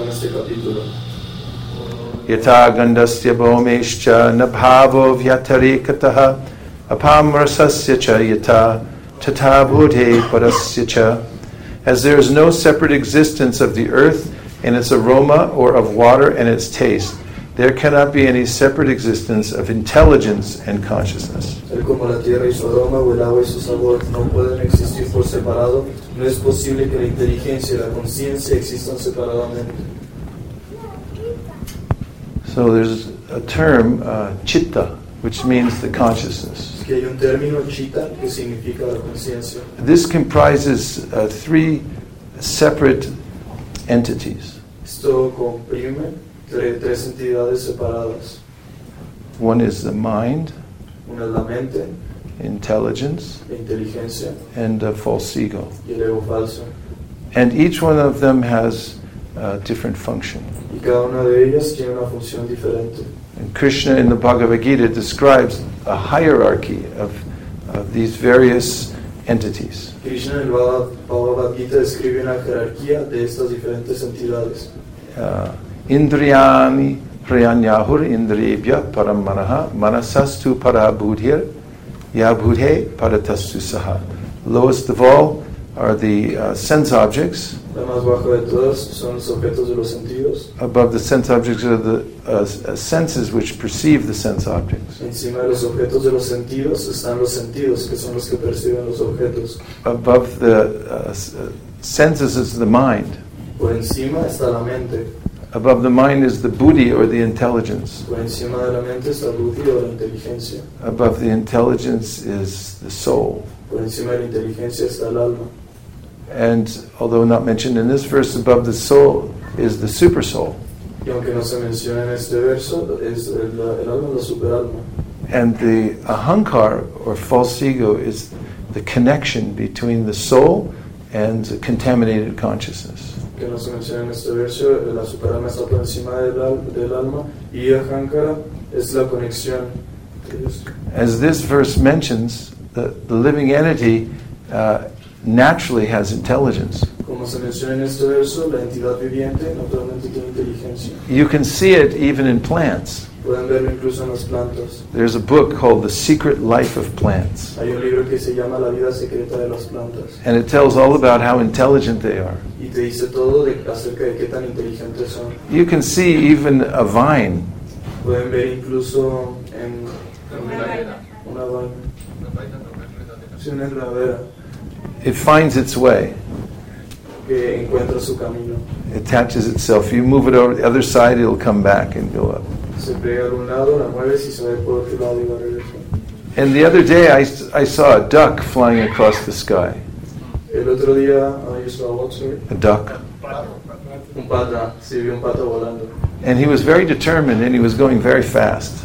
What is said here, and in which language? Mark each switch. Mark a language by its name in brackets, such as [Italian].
[Sanskrit] Yata gandasya bhomeshcha nabhavo vyatarekataha apamrasasya cha yata tatabhute parasya cha. [English] As there is no separate existence of the earth and its aroma, or of water and its taste, there cannot be any separate existence of intelligence and consciousness. [Spanish] Tal como la tierra y su aroma, o el agua y su sabor no pueden existir por separado, no es posible que la inteligencia y la conciencia existan separadamente. [English] So there's a term, chitta, which means the consciousness. [Spanish] Es que hay un término, chitta, que significa la conciencia. [English] This comprises three separate entities. [Spanish] Esto comprime tres entidades separadas. [English] One is the mind, [Spanish] una es la mente, [English] intelligence, [Spanish] inteligencia, [English] and a false ego. [Spanish] Y el ego falso. [English] And each one of them has a different function. [Spanish] Y cada una de ellas tiene una función diferente. [English] And Krishna in the Bhagavad Gita describes a hierarchy of these various entities. [Spanish] Krishna en el Bhagavad Gita describe una jerarquía de estas diferentes entidades. [Sanskrit] Indriyani prayanyahur indriyebhya paramanaha manasastu parabhudhir yabhudhe paratastu saha. [English] Lowest of all are the sense objects. [Spanish] La más bajo de todas son los objetos de los sentidos. [English] Above the sense objects are the senses which perceive the sense objects. [Spanish] Encima de los objetos de los sentidos están los sentidos, que son los que perciben los objetos. [English] Above the senses is the mind. [Spanish] Por encima está la mente. [English] Above the mind is the buddhi or the intelligence. [Spanish] Por encima de la mente está buddhi o la inteligencia. [English] Above the intelligence is the soul. [Spanish] Por encima de la inteligencia está el alma. [English] And although not mentioned in this verse, above the soul is the super soul. [Spanish] Y aunque no se menciona en este verso, es el alma, la super alma. [English] And the ahankar or false ego is the connection between the soul and the contaminated consciousness. [Spanish] Que no se menciona en este verso, la superalma está por encima del alma, y ahankara es la conexión. [English] As this verse mentions, the living entity naturally has intelligence. [Spanish] Como se menciona en este verso, la entidad viviente naturalmente tiene inteligencia. [English] You can see it even in plants. [Spanish] Pueden verlo incluso en las plantas. [English] There's a book called The Secret Life of Plants. [Spanish] Hay un libro que se llama La Vida Secreta de las Plantas. [English] And it tells all about how intelligent they are. [Spanish] Y te dice todo acerca de qué tan inteligentes son. [English] You can see even a vine. [Spanish] Pueden ver incluso en una vaina. Una vaina. [English] It finds its way. [Spanish] Que encuentra su camino. [English] It attaches itself. You move it over to the other side, it'll come back and go up. [Spanish] Se pega de un lado, la mueves y se ve por otro lado y va a regresar. [English] And the other day I saw a duck flying across the sky. [Spanish] El otro día yo [English] saw what, sorry? A duck. [Spanish] Un pata, sí, vi un pato volando. [English] And he was very determined and he was going very fast.